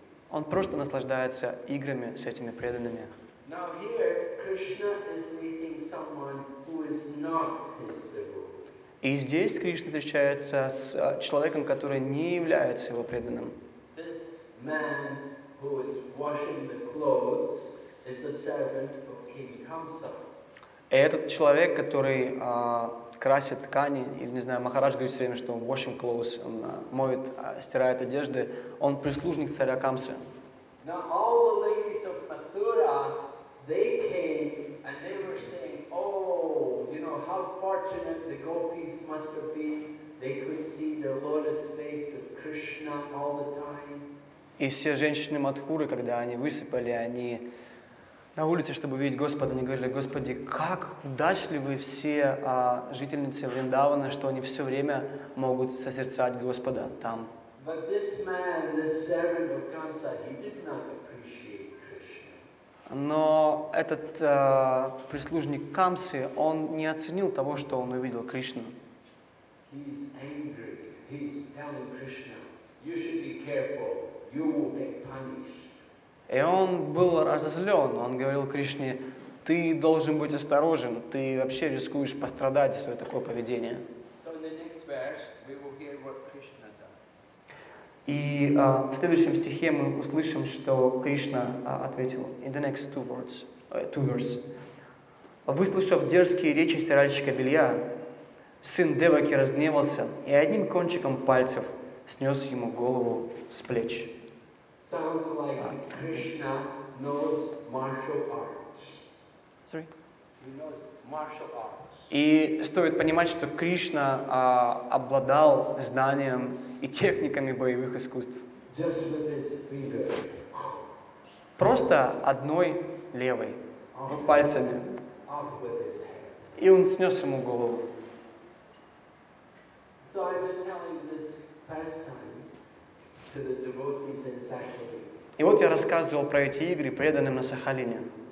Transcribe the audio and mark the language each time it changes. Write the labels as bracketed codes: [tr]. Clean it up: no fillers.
[ru] Он просто наслаждается играми с этими преданными. [en] Here, [ru] И здесь Кришна встречается с человеком, который не является его преданным. [en] This man who is washing the clothes is a servant of King Kamsa. [ru] Этот человек, который красит ткани, или, не знаю, Махарадж говорит все время, что [en] washing clothes, [ru] он моет, стирает одежды, он прислужник царя Камсы. [en] Now all the ladies of Mathura, they came and they were saying, oh, you know, how fortunate the gopis must have been. They could see the lotus face of Krishna all the time. [ru] И все женщины Мадхуры, когда они высыпали, они на улице, чтобы видеть Господа, они говорили: Господи, как удачливы все жительницы Вриндавана, что они все время могут созерцать Господа там. [en] But this man, this servant of Kamsa, he did not appreciate Krishna. [ru] Но этот прислужник Камсы, он не оценил того, что он увидел Кришну. [en] He's angry. He's telling Krishna, you should be careful, you will get punished. [ru] И он был разозлен. Он говорил Кришне: ты должен быть осторожен, ты вообще рискуешь пострадать за свое такое поведение. [en] So in the next verse we will hear what Krishna does. [ru] И в следующем стихе мы услышим, что Кришна ответил. [en] In the next two verse. [ru] Выслушав дерзкие речи стиральщика белья, сын Деваки разгневался и одним кончиком пальцев снес ему голову с плеч. [en] Sounds like Krishna knows martial arts. Sorry? He knows martial arts. [ru] И стоит понимать, что Кришна обладал знанием и техниками боевых искусств. [en] Just with his finger. [ru] Просто одной левой, [en] off [ru] пальцами. [en] Off with his head. [ru] И он снес ему голову. [en] So I was telling this pastime to the devotees in Sakhalin. [ru] И вот я рассказывал про эти игры преданным на Сахалине.